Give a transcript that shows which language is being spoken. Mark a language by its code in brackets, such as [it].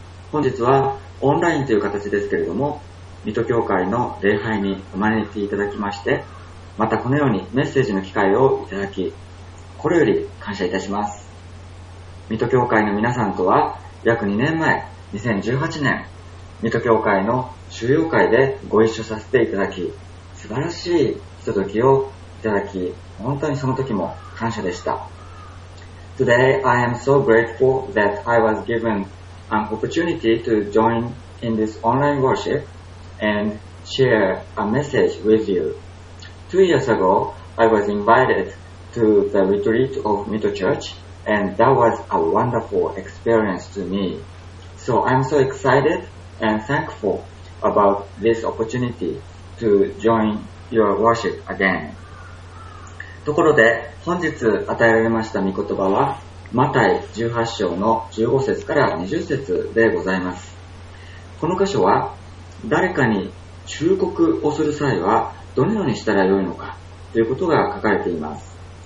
[ja] 本日はオンラインという形ですけれども、水戸教会の礼拝にお招きいただきまして、またこのようにメッセージの機会をいただき、これより感謝いたします。水戸教会の皆さんとは約2年前、2018年、水戸教会の主要会でご一緒させていただき、素晴らしいひとときをいただき、本当にその時も感謝でした。 [en] Today I am so grateful that I was given an opportunity to join in this online worship and share a message with you. 2 years ago, I was invited to the retreat of Mito Church, and that was a wonderful experience to me. So I'm so excited and thankful about this opportunity to join your worship again. [ja] ところで、本日与えられました御言葉は、マタイ18章の15節から20節でございます。この箇所は、誰かに忠告をする際はどのようにしたらよいのかということが書かれています。